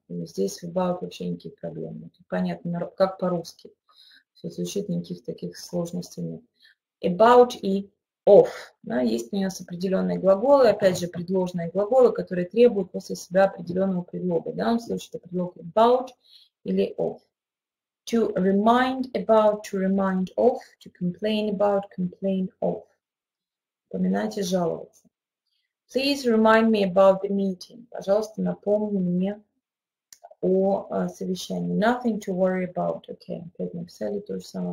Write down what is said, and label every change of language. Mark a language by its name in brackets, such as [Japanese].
[Russian] Здесь в about вообще никаких проблем. Понятно, как по-русски. Все звучит, никаких таких сложностей нет. [English] About и of. [Russian] Да, есть у нас определенные глаголы, опять же, предложные глаголы, которые требуют после себя определенного предлога. В данном случае это предлог about или of. [English] To remind about, to remind of, to complain about, complain of. [Russian] Вспоминать и жаловаться. [English] Please remind me about the meeting. [Russian] Пожалуйста, напомни мне о совещании. [English] Nothing to worry about. [Russian] Okay, опять написали то же самое.